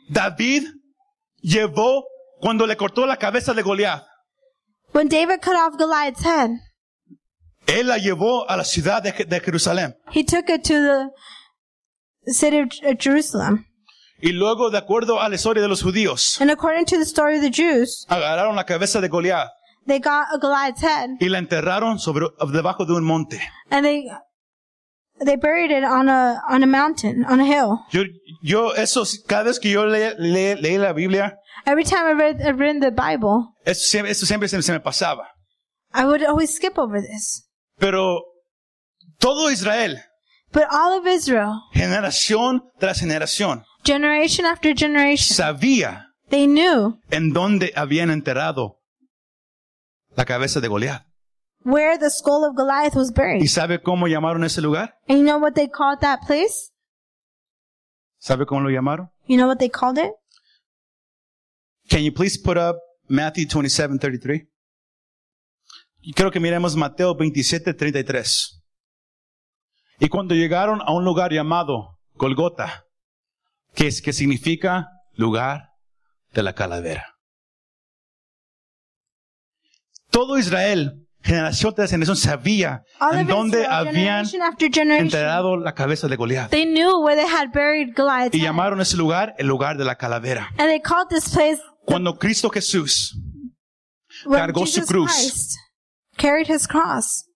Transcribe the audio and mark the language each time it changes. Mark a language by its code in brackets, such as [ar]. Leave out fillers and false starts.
[es] David llevó cuando le cortó la cabeza de Goliat. [en] When David cut off Goliath's head. [es] Él la llevó a la ciudad de Jerusalén. [en] He took it to the city of Jerusalem. [es] Y luego, de acuerdo a la historia de los judíos. [en] And according to the story of the Jews. [es] Agarraron la cabeza de Goliat. [en] They got a Goliath's head. [es] Y la enterraron sobre, debajo de un monte. [en] And they buried it on a mountain, on a hill. [es] Yo eso, cada vez que yo leí la Biblia. [en] Every time I read the Bible. [es] Eso siempre se me pasaba. [en] I would always skip over this. [es] Pero todo Israel. [en] But all of Israel. [es] Generación tras generación. [en] Generation after generation. [es] Sabía. [en] They knew. [es] En dónde habían enterrado. La cabeza de Goliat. [en] Where the skull of Goliath was buried. [es] ¿Y sabe cómo llamaron ese lugar? [en] And you know what they called that place? [es] ¿Sabe cómo lo llamaron? [en] You know what they called it? Can you please put up Matthew 27:33? [es] Creo que miremos Mateo 27:33. Y cuando llegaron a un lugar llamado Golgota, que significa lugar de la calavera. Todo Israel, generación tras generación, sabía [en] all [es] en dónde [en] Israel, [es] habían enterrado la cabeza de Goliat. [en] They knew where they had buried Goliath. [es] Y llamaron ese lugar el lugar de la calavera. [en] And they called this place. [es] Cuando Cristo Jesús cargó [en] Jesus [es] su cruz. [en] Christ carried his cross.